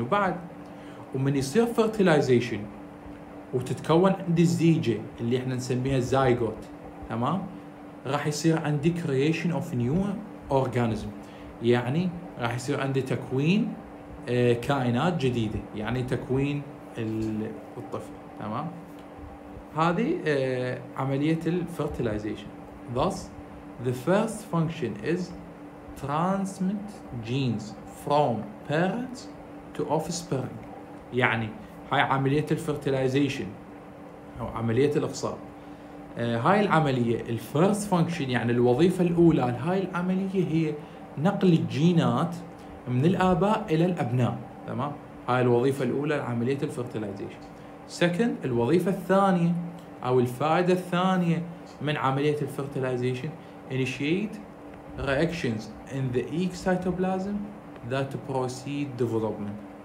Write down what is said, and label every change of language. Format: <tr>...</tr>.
<ar>وبعد ومن يصير فيرتلايزيشن وتتكون عند الزيجة اللي احنا نسميها زايغوت، تمام، راح يصير عندي</ar> <en>creation of new organism،</en> <ar>يعني راح يصير عندي تكوين كائنات جديدة، يعني تكوين الطفل. تمام، هذه عملية الفيرتلايزيشن.</ar> <en>Thus the first function is transmit genes from parents to offspring،</en> <ar>يعني هاي عملية الفيرتلايزيشن أو عملية الإخصاب. هاي العملية الفيرست فانكشن يعني الوظيفة الأولى لهاي العملية هي نقل الجينات من الآباء إلى الأبناء. تمام، هاي الوظيفة الأولى لعملية الفيرتلايزيشن. سكند، الوظيفة الثانية أو الفائدة الثانية من عملية الفيرتلايزيشن</ar> <en>initiate reactions in the egg cytoplasm that proceed development.</en>